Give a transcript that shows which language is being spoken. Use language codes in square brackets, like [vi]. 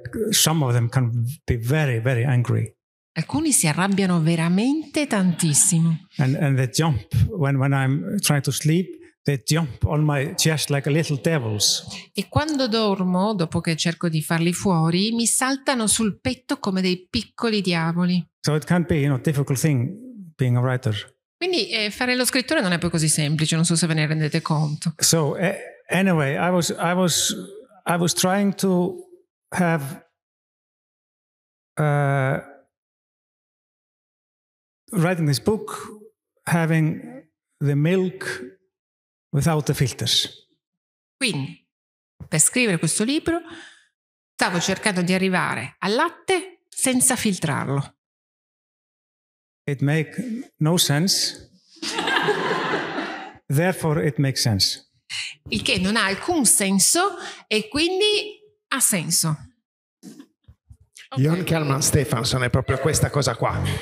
[en] Some of them can be very, very angry. [it] Alcuni si arrabbiano veramente tantissimo. [en] And they jump when I'm trying to sleep, they jump on my chest like little devils. [it] E quando dormo, dopo che cerco di farli fuori, mi saltano sul petto come dei piccoli diavoli. [en] So it can't be, you know, difficult thing being a writer. [it] Quindi fare lo scrittore non è poi così semplice, non so se ve ne rendete conto. [en] So anyway, I was trying to have writing this book, having the milk without the filters. Quindi, per scrivere questo libro, stavo cercando di arrivare al latte senza filtrarlo. It make no sense. Therefore, it makes sense. [it] Il che non ha alcun senso e quindi ha senso. [en] Okay. [it] Jon Kalman Stefansson è proprio questa cosa qua.